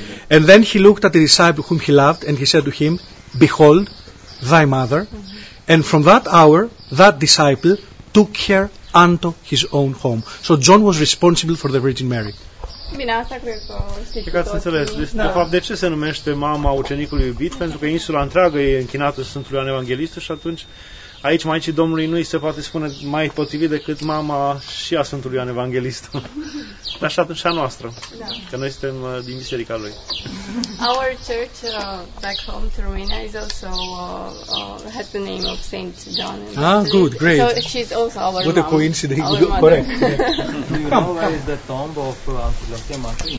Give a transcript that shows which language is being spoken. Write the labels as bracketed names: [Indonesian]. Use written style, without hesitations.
[English] and then he looked at the disciple whom he loved and he said to him, behold thy mother, and from that hour that disciple took her unto his own home. So John was responsible for the Virgin Mary. [Romanian] Bine, asta cred că știți înțeles. Deci, da. De fapt, de ce se numește mama ucenicului iubit? Pentru că insula întreagă e închinată Sfântului Ioan Evanghelistă și atunci aici Maicii Domnului nu îi se poate spune mai potrivit decât mama și a Sfântului Ioan Evanghelistă. Dar și atunci și a noastră. Da. Că noi suntem din biserica lui. [English] Our church back home, Taruna, is also had the name of Saint John. Ah, good, great. So she's also our mom. What a coincidence. Correct. Do you know where is the tomb of Antilochia Martyr?